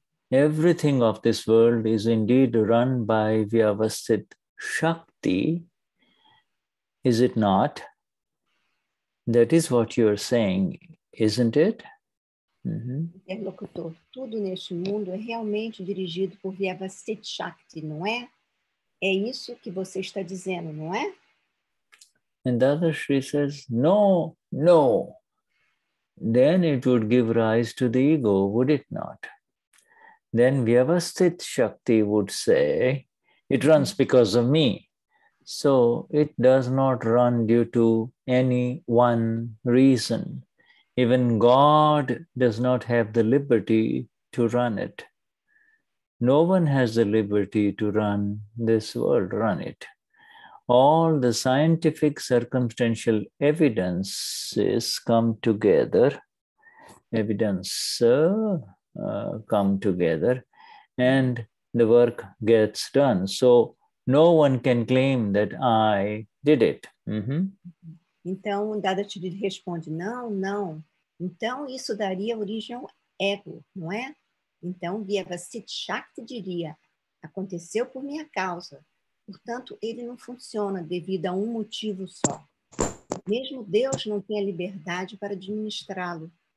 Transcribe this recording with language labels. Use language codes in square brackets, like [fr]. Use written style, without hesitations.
[en] Everything of this world is indeed run by Vyavasthit Shakti, is it not? That is what you are saying, isn't it? [pt] Interlocutor, tudo neste mundo é realmente dirigido por Vyavasthit Shakti, não é? É isso que você está dizendo, não é? [en] And Dadashri says, no, no. Then it would give rise to the ego, would it not? Then Vyavasthit Shakti would say, it runs because of me. So it does not run due to any one reason. Even God does not have the liberty to run it. No one has the liberty to run this world, run it. All the scientific circumstantial evidences come together, and the work gets done. So no one can claim that I did it. [pt] Então, Dadashri responde, não, não. Então, isso daria origem ao ego, não é? Então, Vyavasthit Shakti diria, aconteceu por minha causa. Portanto, ele não funciona devido a um motivo só. Mesmo Deus não tem a liberdade para administrá-lo.